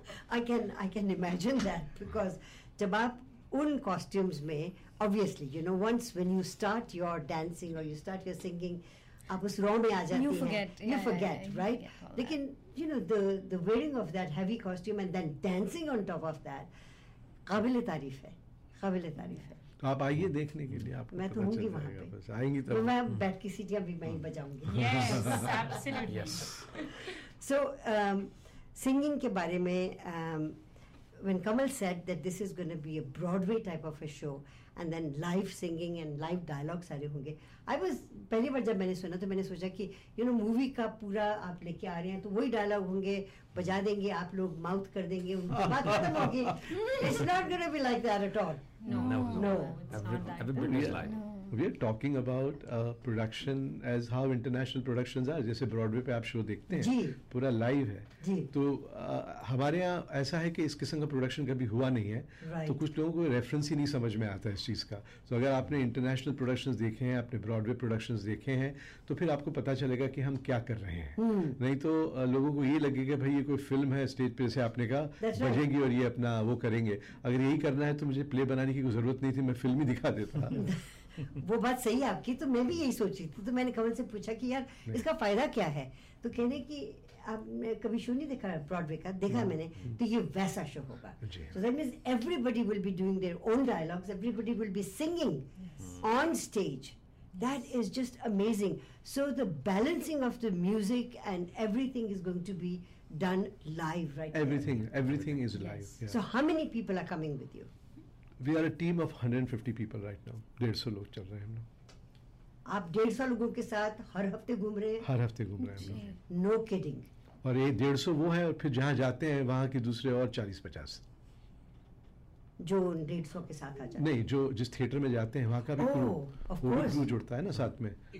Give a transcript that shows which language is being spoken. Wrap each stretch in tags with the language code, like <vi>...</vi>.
<en>I can imagine that, because</en> <hi>jab aap un costumes mein,</hi> <en>obviously, you know, once when you start your dancing or you start your singing,</en> <hi>aap us raw mein aa jati hai,</hi> <en>you forget, right? Lekin, you know, the wearing of that heavy costume and then dancing on top of that,</en> <hi>qabil-e-tareef hai. तो आप आइए देखने के लिए. आप मैं तो होंगी वहाँ पे, बस आएंगी तब तो मैं बैठ की सीटियाँ भी मैं ही बजाऊंगी.</hi> <en>Yes absolutely yes. So singing</en> <hi>के बारे में,</hi> <en>when Kamal said that this is gonna be a Broadway type of a show and then live singing and live dialogue</en> <hi>सारे होंगे,</hi> <en>I was</en> <hi>पहली बार जब मैंने सुना तो मैंने सोचा कि</hi> <en>you know</en> <hi>मूवी का पूरा आप लेके आ रहे हैं तो वही डायलॉग होंगे, बजा देंगे आप लोग, माउथ कर देंगे, बात खत्म होगी.</hi> <en>It's not gonna be like that at all. No, it's not like that. Everybody's like, we are talking about a production as how international productions are.</en> <hi>जैसे ब्रॉडवे पे आप शो देखते हैं पूरा लाइव है तो हमारे यहाँ ऐसा है कि इस किस्म का प्रोडक्शन कभी हुआ नहीं है तो कुछ लोगों को रेफरेंस ही नहीं समझ में आता है इस चीज़ का. तो अगर आपने इंटरनेशनल प्रोडक्शन देखे हैं आपने ब्रॉडवे प्रोडक्शन देखे हैं तो फिर आपको पता चलेगा कि हम क्या कर रहे हैं. नहीं तो लोगों को ये लगेगा भाई ये कोई फिल्म है स्टेज पर से आपने कहा बजेगी और ये अपना वो करेंगे. अगर यही करना है तो मुझे प्ले बनाने की जरूरत नहीं थी मैं फिल्म ही दिखा देता. वो बात सही है आपकी. तो मैं भी यही सोची थी तो मैंने कमल से पूछा कि यार इसका फायदा क्या है. तो कहने कि आप मैं कभी शो नहीं देखा ब्रॉडवे का देखा मैंने तो ये वैसा शो होगा.</hi> <en>So that means everybody will be doing their own dialogues everybody will be singing on stage that is just amazing. So the balancing of the music and everything is going to be done live right. Everything is live. So how many people are coming with you. We are a team of 150 people right now.</en> <hi>150 लोग चल रहे हैं हम लोग. आप 150 लोगों के साथ हर हफ्ते घूम रहे हैं? हर हफ्ते घूम रहे हैं हम लोग.</hi> <en>No kidding.</en> <hi>और ये 150 वो है और फिर जहाँ जाते हैं वहाँ के दूसरे और 40-50 जो 150 के साथ आ जाते नहीं जो जिस थिएटर में जाते हैं वहाँ का भी क्रू वो भी क्रू जुड़ता है ना साथ में.</hi>